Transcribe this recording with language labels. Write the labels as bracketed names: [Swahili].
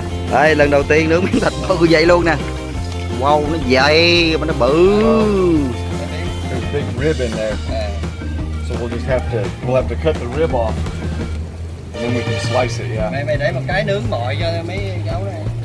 [Vietnamese] Đây, lần đầu tiên nướng miếng thịt bự vậy luôn nè. Wow, nó dày mà nó bự. [English] There's a big rib in there. So we'll have to cut the rib off. And then we can slice it, yeah. [Vietnamese] Mày để một cái nướng mồi cho mấy cháu này.